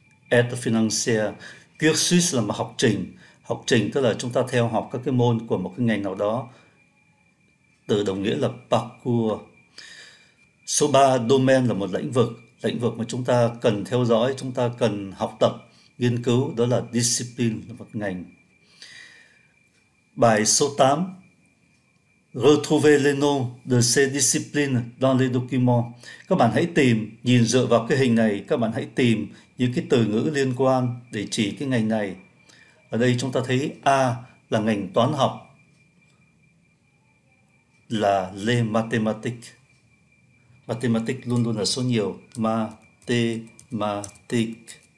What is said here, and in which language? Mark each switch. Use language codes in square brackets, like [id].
[fr] Et financier. [vi] Cursus là mà học trình. Học trình tức là chúng ta theo học các cái môn của một cái ngành nào đó. Từ đồng nghĩa là parcours. Số 3, domain là một lĩnh vực. Lĩnh vực mà chúng ta cần theo dõi, chúng ta cần học tập, nghiên cứu. Đó là discipline, là một ngành. Bài số 8. [fr] Retrouver les noms de ces disciplines dans les documents. [vi] Các bạn hãy tìm, nhìn dựa vào cái hình này, các bạn hãy tìm những cái từ ngữ liên quan để chỉ cái ngành này. Ở đây chúng ta thấy A là ngành toán học, là les mathématiques. Mathematics luôn luôn là số nhiều. Mathematics.